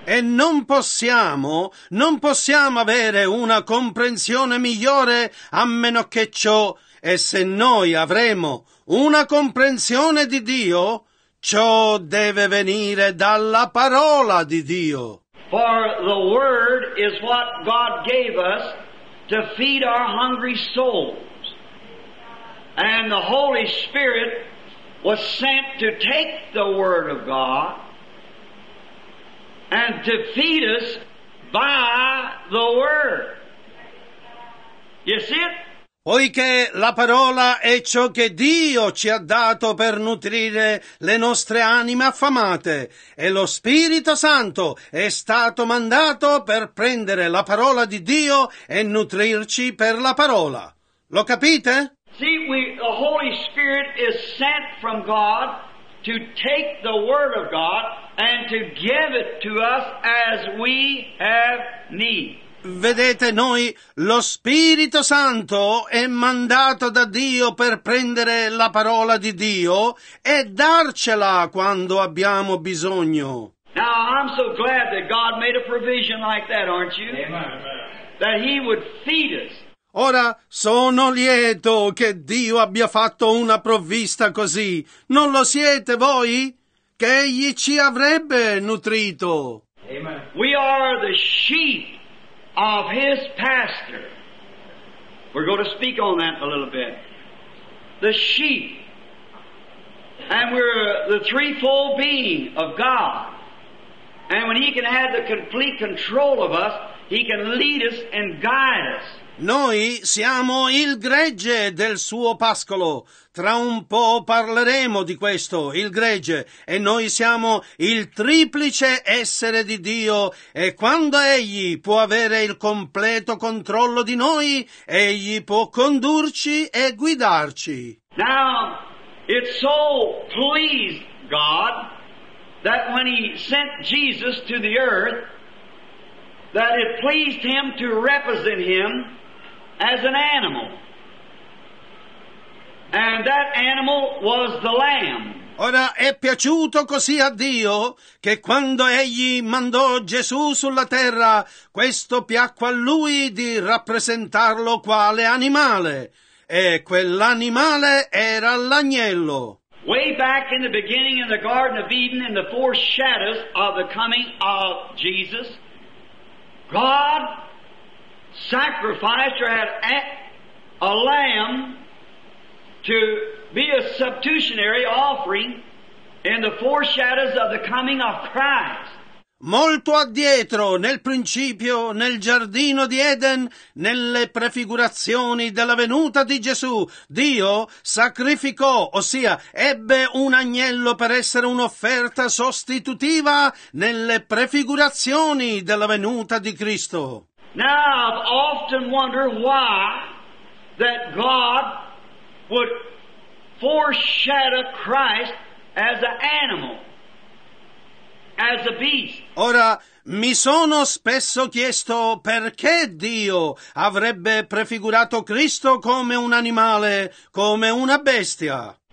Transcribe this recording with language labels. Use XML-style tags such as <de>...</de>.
<it>E non possiamo avere una comprensione migliore a meno che ciò, e se noi avremo una comprensione di Dio, ciò deve venire dalla parola di Dio.</it> <en>For the word is what God gave us to feed our hungry souls. And the Holy Spirit was sent to take the word of God and to feed us by the word. You see it?</en> <it>Poiché la parola è ciò che Dio ci ha dato per nutrire le nostre anime affamate, e lo Spirito Santo è stato mandato per prendere la parola di Dio e nutrirci per la parola. Lo capite?</it> <en>See, the Holy Spirit is sent from God to take the Word of God and to give it to us as we have need.</en> <it>Vedete, noi lo Spirito Santo è mandato da Dio per prendere la parola di Dio e darcela quando abbiamo bisogno.</it> <en>Now I'm so glad that God made a provision like that, aren't you? Amen. That He would feed us.</en> <it>Ora sono lieto che Dio abbia fatto una provvista così. Non lo siete voi? Che Egli ci avrebbe nutrito.</it> <en>Amen. We are the sheep of His pastor. We're going to speak on that a little bit. The sheep. And we're the threefold being of God. And when He can have the complete control of us, He can lead us and guide us.</en> <it>Noi siamo il gregge del suo pascolo. Tra un po' parleremo di questo, il gregge. E noi siamo il triplice essere di Dio. E quando Egli può avere il completo controllo di noi, Egli può condurci e guidarci.</it> <en>Now, it so pleased God that when He sent Jesus to the earth, that it pleased Him to represent Him as an animal, and that animal was the lamb.</en> <it>Ora è piaciuto così a Dio che quando Egli mandò Gesù sulla terra, questo piacque a Lui di rappresentarlo quale animale. e quell'animale era l'agnello.</it> <en>Way back in the beginning in the Garden of Eden, in the foreshadows of the coming of Jesus, God sacrificed or had a lamb to be a substitutionary offering in the foreshadows of the coming of Christ.</en> <it>Molto addietro, nel principio, nel giardino di Eden, nelle prefigurazioni della venuta di Gesù, Dio sacrificò, ossia ebbe un agnello per essere un'offerta sostitutiva nelle prefigurazioni della venuta di Cristo.</it> <en>Now I've often wondered why that God would foreshadow Christ as an animal. As a beast.</en> <it>Ora, mi sono spesso chiesto perché Dio avrebbe prefigurato Cristo come un animale, come una bestia.</it>